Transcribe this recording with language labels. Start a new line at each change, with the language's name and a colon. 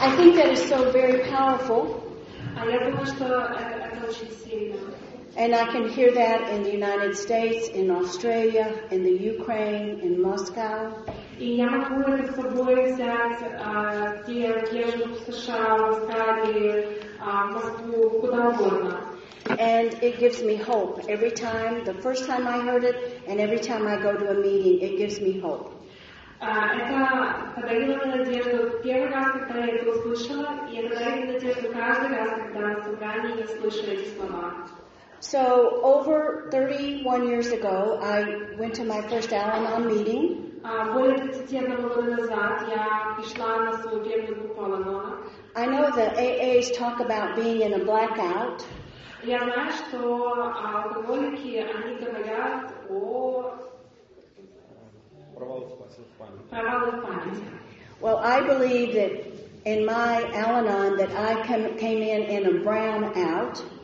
English: I think that is so very powerful.
Russian: А я думаю, что это очень сильно.
English: And I can hear that in the United States, in Australia, in the Ukraine, in Moscow.
Russian: И я могу это с собой взять, где я живу, в США, в Австралии, в Москву, куда угодно.
English: And it gives me hope. Every time, the first time I heard it, and every time I go to a meeting, it gives me hope.
Russian: Это подарило мне надежду первый раз, когда я это услышала, и это дарит мне надежду каждый раз, когда на собрании я слышу эти слова.
English: So over 31 years ago, I went to my first Al-Anon meeting.
Russian: Более 31 года назад я пришла на свою первую группу Al-Anon.
English: I know the AAs talk about being in a blackout.
Russian: Я знаю, что алкоголики, они говорят о провале в памяти.
English: Well, I believe that in my Al-Anon that I came in a brownout.